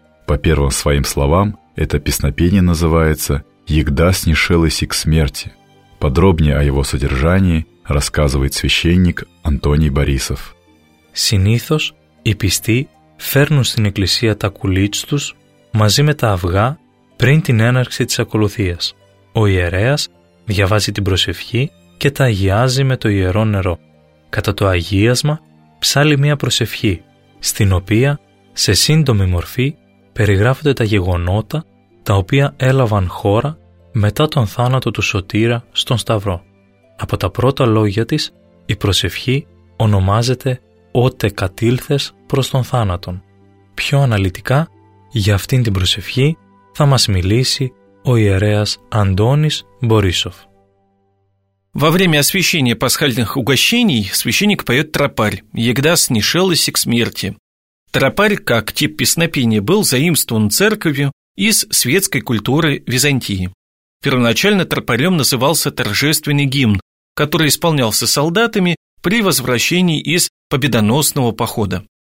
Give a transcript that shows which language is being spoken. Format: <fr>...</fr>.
<ru>По первым своим словам, это песнопение называется «Егда снишелось и к смерти». Подробнее о его содержании рассказывает священник Антоний Борисов.</ru> <el>Συνήθως οι πιστοί φέρνουν στην εκκλησία τα κουλίτς τους μαζί με τα αυγά πριν την έναρξη της ακολουθίας. Ο ιερέας διαβάζει την προσευχή και τα αγιάζει με το ιερό νερό. Κατά το αγίασμα ψάλλει μία προσευχή, στην οποία σε σύντομη μορφή περιγράφονται τα γεγονότα τα οποία έλαβαν χώρα μετά τον θάνατο του Σωτήρα στον Σταυρό. Από τα πρώτα λόγια της, η προσευχή ονομάζεται «Ότε κατήλθες προς τον θάνατον». Πιο αναλυτικά, για αυτήν την προσευχή θα μας μιλήσει ο ιερέας Αντώνης Μπορίσοφ.</el> <ru>Во время освящения пасхальных угощений священник поет тропарь «Егда снишелось к смерти». Тропарь, как тип песнопения, был заимствован церковью из светской культуры Византии. Первоначально тропарем назывался торжественный гимн, который исполнялся солдатами при возвращении из победоносного похода.</ru>